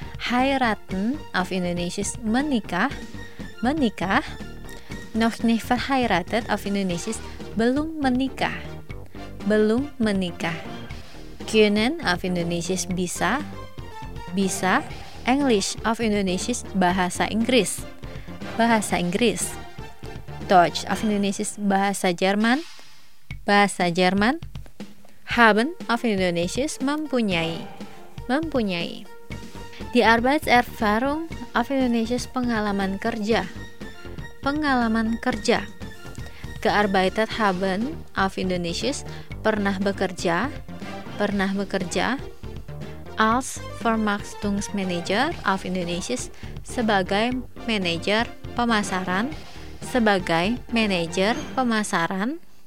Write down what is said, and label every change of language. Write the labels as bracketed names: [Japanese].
[German] Heiraten auf Indonesisch [Indonesian] menikah, menikah. [German] Noch nicht verheiratet auf Indonesisch [Indonesian] belum menikah, belum menikah. [German] Können auf Indonesisch [Indonesian] bisa, bisa. [German] English auf Indonesisch [Indonesian] bahasa Inggris, bahasa Inggris. [German] Deutsch auf Indonesisch [Indonesian] bahasa Jerman, bahasa Jerman. [German] Haben auf Indonesisch [Indonesian] mempunyai, mempunyai. [German] Die Arbeitserfahrung auf Indonesisch [Indonesian] pengalaman kerja, pengalaman kerja. [German] Gearbeitet haben auf Indonesisch [Indonesian] pernah bekerja, pernah bekerja. [German] als Vermarktungsmanager [English] of Indonesia [Indonesian] sebagai manajer pemasaran, sebagai manajer pemasaran.